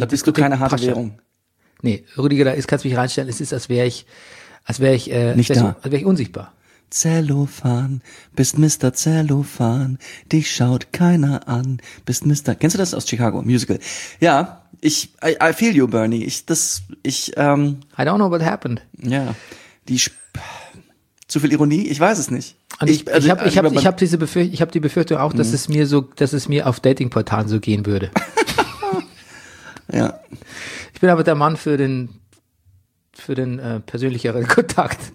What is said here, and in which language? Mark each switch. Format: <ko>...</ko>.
<de>Da bist du keine harte Währung. Nee, Rüdiger, da kannst du mich reinstellen. Es ist, als wäre ich nicht da. Als wäre ich unsichtbar. Zellophan, bist Mr. Zellophan, dich schaut keiner an, bist Mr. Kennst du das aus Chicago, Musical?</de> <en>Ja, I feel you, Bernie. I don't know what happened.</en> <de>Ja, zu viel Ironie, ich weiß es nicht. Und ich hab die Befürchtung auch, dass es mir auf Datingportalen so gehen würde. Ja. Ich bin aber der Mann für den persönlicheren Kontakt.</de>